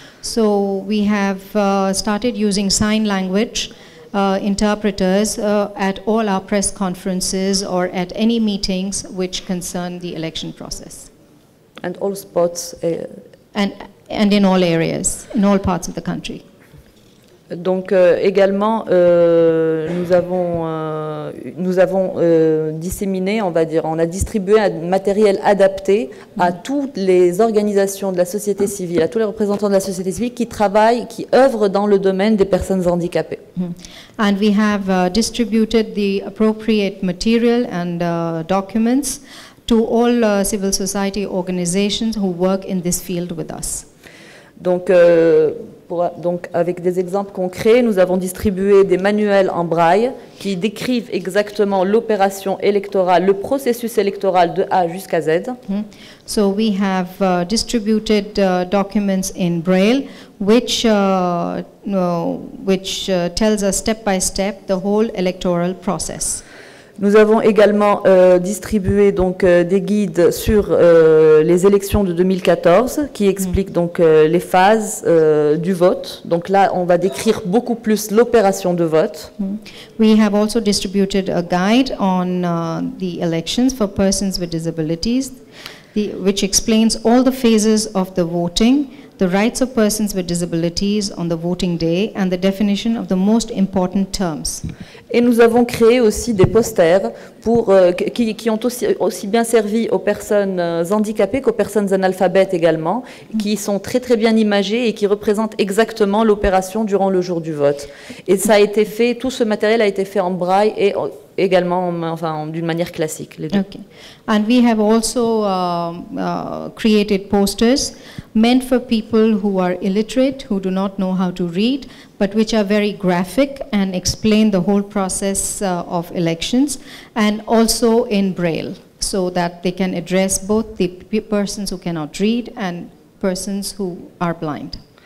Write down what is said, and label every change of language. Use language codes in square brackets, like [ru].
[en] So we have started using sign language interpreters at all our press conferences or at any meetings which concern the election process. And all spots. And in all areas, in all parts of the country. [fr] Donc également, nous avons disséminé, on va dire, on a distribué un matériel adapté à toutes les organisations de la société civile, à tous les représentants de la société civile qui travaillent, qui œuvrent dans le domaine des personnes handicapées. [en] And we have distributed the appropriate material and documents to all civil society organizations who work in this field with us. [fr] Donc, avec des exemples concrets, nous avons distribué des manuels en braille qui décrivent exactement l'opération électorale, le processus électoral de A jusqu'à Z. [en] So we have distributed documents in braille, which tells us step by step the whole electoral process. [fr] Nous avons également distribué donc des guides sur les élections de 2014 qui expliquent donc les phases du vote. Donc là, on va décrire beaucoup plus l'opération de vote. [en] We have also distributed a guide on the elections for persons with disabilities, which explains all the phases of the voting, the rights of persons with disabilities on the voting day and the definition of the most important terms. [fr] Et nous avons créé aussi des posters pour qui ont aussi bien servi aux personnes handicapées qu'aux personnes analphabètes également, qui sont très très bien imagés et qui représentent exactement l'opération durant le jour du vote. Et ça a été fait, tout ce matériel a été fait en braille et également d'une manière classique, les deux. [en] Okay. And we have also created posters meant for people who are illiterate, who do not know how to read, but which are very graphic and explain the whole process of elections, and also in braille, so that they can address both the persons who cannot read and persons who are blind.